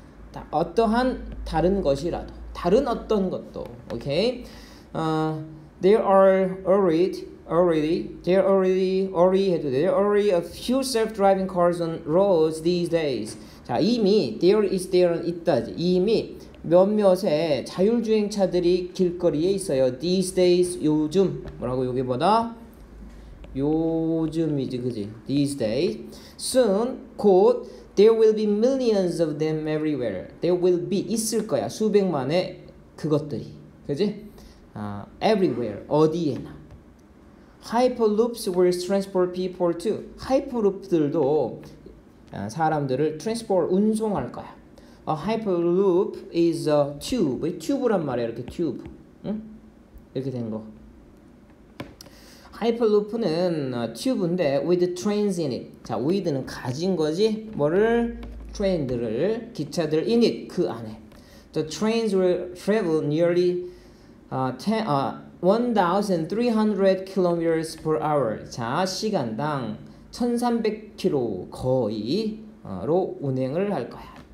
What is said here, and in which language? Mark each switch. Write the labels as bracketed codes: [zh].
[ko] 다 어떠한 다른 것이라도. 다른 어떤 것도. 오케이? [en] There are already a few self-driving cars on roads these days. [ko] 자, 이미 there 있다. 이미 몇몇의 자율주행차들이 길거리에 있어요. [en] these days [ko] 요즘 뭐라고 여기보다 요즘이지 그지 [en] these days soon 곧 there will be millions of them everywhere there will be [ko] 있을 거야 수백만의 그것들이 그지 [en] everywhere 어디에나 hyperloops will transport people too hyperloop들도 사람들을 transport [ko] 운송할 거야 [en] a hyperloop is a tube [ko] 튜브란 말이야 이렇게 [en] tube 응? [ko] 이렇게 된 거 Hyperloop는 튜브인데 [en] with trains in it. [ko] 자, with는 가진 거지. 뭐를? Train들을 기차들 in it 그 안에. [en] The trains will travel nearly 1,300 kilometers per hour. [ko] 자, 시간당 1,300km 거의로 운행을 할 거야.